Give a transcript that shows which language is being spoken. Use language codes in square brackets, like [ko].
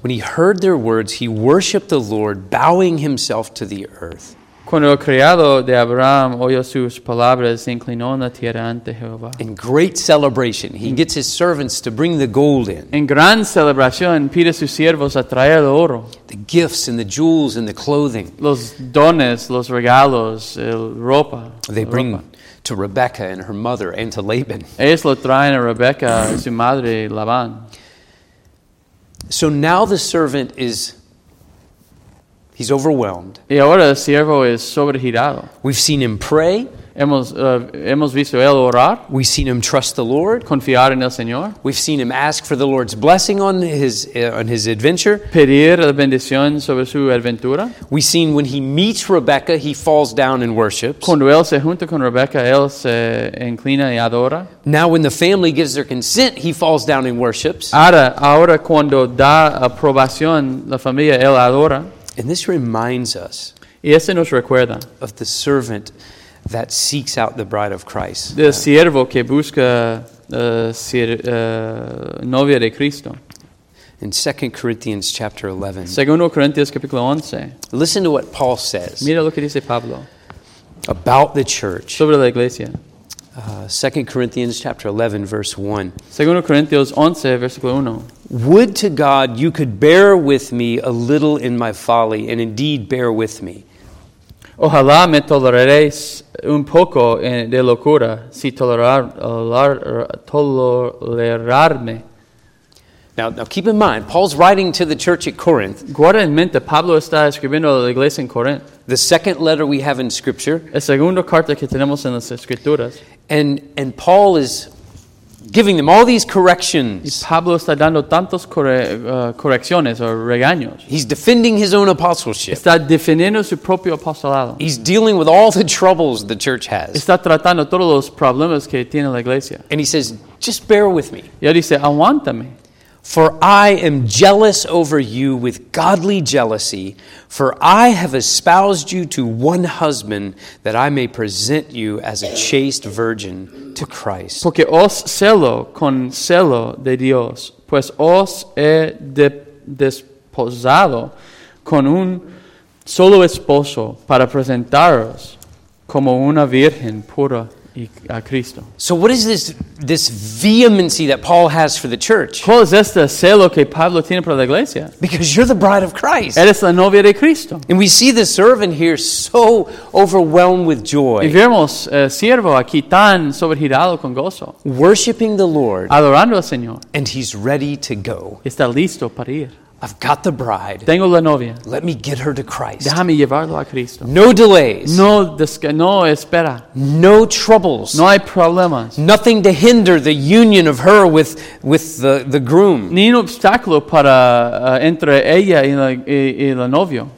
[en] When he heard their words, he worshipped the Lord, bowing himself to the earth. [es] Cuando el criado de Abraham oyó sus palabras, se inclinó en la tierra ante Jehová. [en] In great celebration, he gets his servants to bring the gold in. [es] En gran celebración, pide a sus siervos a traer el oro. [en] The gifts and the jewels and the clothing. [es] Los dones, los regalos, el ropa. [en] They bring to Rebecca and her mother and to Laban. [es] Ellos lo traen a Rebecca, su madre, Labán. [en] So now the servant is He's overwhelmed. [es] Y ahora el siervo es sobregirado. [en] We've seen him pray. [es] Hemos visto él orar. [en] We've seen him trust the Lord. [es] Confiar en el Señor. [en] We've seen him ask for the Lord's blessing on his adventure. [es] Pedir la bendición sobre su aventura. [en] We've seen when he meets Rebecca, he falls down and worships. [es] Cuando él se junta con Rebecca, él se inclina y adora. [en] Now when the family gives their consent, he falls down and worships. [es] Ahora cuando da aprobación la familia, él adora. [en] And this reminds us [es] y ese nos recuerda [en] of the servant that seeks out the bride of Christ. [es] El siervo que busca novia de Cristo. [en] In 2 Corinthians chapter 11. [es] Segundo Corintios capítulo 11. [en] Listen to what Paul says. [es] Mira lo que dice Pablo. [en] About the church. [es] Sobre la iglesia. [en] 2 Corinthians chapter 11 verse 1. [es] Segundo Corintios 11 versículo 1. [en] Would to God you could bear with me a little in my folly, and indeed bear with me. [es] Ojalá me toleraréis un poco de locura, si tolerarme. [en] Now keep in mind, Paul's writing to the church at Corinth. [es] Guarda en mente, Pablo está escribiendo a la iglesia en Corinth. [en] The second letter we have in Scripture. [es] La segunda carta que tenemos en las Escrituras. [en] And Paul is giving them all these corrections. [es] Y Pablo está dando tantos correcciones o regaños. [en] He's defending his own apostleship. [es] Está defendiendo su propio apostolado. [en] He's dealing with all the troubles the church has. [es] Está tratando todos los problemas que tiene la iglesia. [en] And he says, just bear with me. [es] Y él dice, aguántame. [en] For I am jealous over you with godly jealousy, for I have espoused you to one husband, that I may present you as a chaste virgin to Christ. [es] Porque os celo con celo de Dios, pues os he desposado con un solo esposo para presentaros como una virgen pura. [en] So what is this vehemency that Paul has for the church? [es] ¿Cuál es este celo que Pablo tiene para la iglesia? [en] Because you're the bride of Christ. [es] Eres la novia de Cristo. [en] And we see the servant here so overwhelmed with joy. [es] Y vemos siervo aquí tan sobregirado con gozo. [en] Worshiping the Lord. [es] Adorando al Señor. [en] And he's ready to go. [es] Está listo para ir. [en] I've got the bride. [es] Tengo la novia. [en] Let me get her to Christ. [es] Déjame llevarlo a Cristo. [en] No delays. [es] No espera. [en] No troubles. [es] No hay problemas. [en] Nothing to hinder the union of her with the groom. [es] Ni un obstáculo para entre ella y la novio.